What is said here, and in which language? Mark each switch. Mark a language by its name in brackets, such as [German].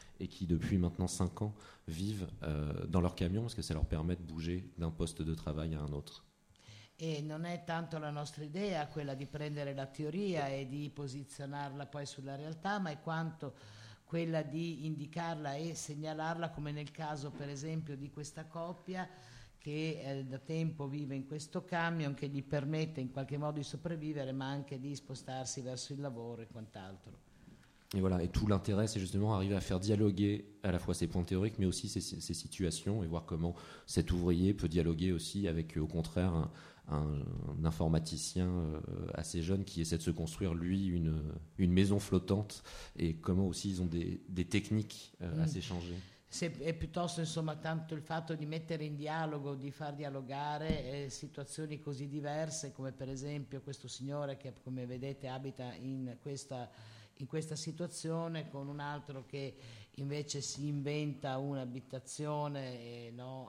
[French] Et qui depuis maintenant 5 ans vivent dans leur camion parce que ça leur permet de bouger d'un poste de travail à un autre. [Italian] e non è tanto la nostra idea quella di prendere la teoria e di posizionarla poi sulla realtà, ma è quanto quella di indicarla e segnalarla, come nel caso per esempio di questa coppia che da tempo vive in questo camion che gli permette in qualche modo di sopravvivere, ma anche di spostarsi verso il lavoro e quant'altro. [French] Et voilà, et tout l'intérêt, c'est justement arriver à faire dialoguer à la fois ces points théoriques, mais aussi ces situations, et voir comment cet ouvrier peut dialoguer aussi avec, au contraire, un informaticien assez jeune qui essaie de se construire, lui, une maison flottante, et comment aussi ils ont des techniques à s'échanger. C'est [Italian] piuttosto, insomma, tanto il fatto di mettere in dialogo, di far dialogare situazioni così diverse, come per esempio questo signore che, come vedete, abita in questa situazione, con un altro che invece si inventa un'abitazione